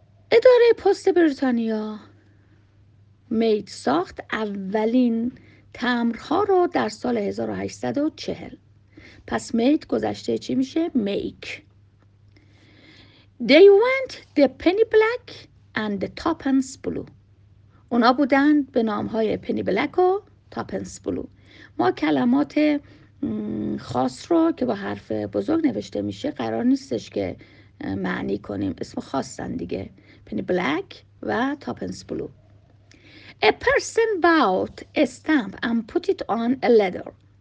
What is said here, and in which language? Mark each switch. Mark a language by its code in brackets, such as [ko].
[fa] اداره پست بریتانیا made ساخت اولین تمرها رو در سال 1840. پس made گذشته چی میشه؟ make. [en] They went the penny black and the tuppence blue. [fa] اونا بودن به نامهای penny black و tuppence blue. ما کلمات خاص رو که با حرف بزرگ نوشته میشه قرار نیستش که معنی کنیم، اسم خاصن دیگه. [en] Penny black و tuppence blue. A person bought a stamp and put it on a letter.